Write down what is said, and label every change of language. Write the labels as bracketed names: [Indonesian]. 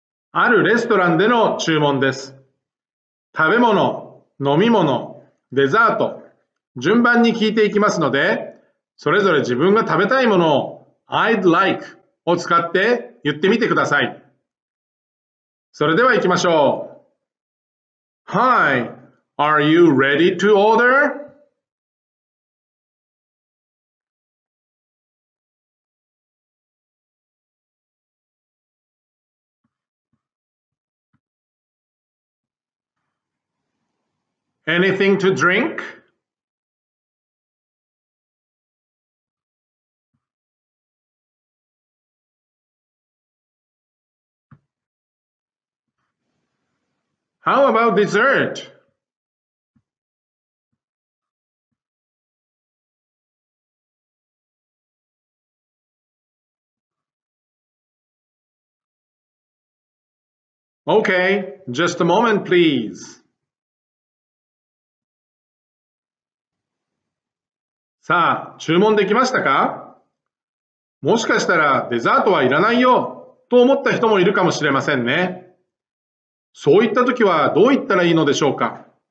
[Japanese] あるレストランでの注文です。食べ物、飲み物、デザート、順番に聞いていきますので、それぞれ自分が食べたいものを I'd like を使って言ってみてください。それでは行きましょう。 [English] Hi, are you ready to order? Anything to drink? How about dessert? Okay, just a moment, please. [Japanese] さあ、注文できましたか？もしかしたらデザートはいらないよと思った人もいるかもしれませんね。そういった時はどう言ったらいいのでしょうか？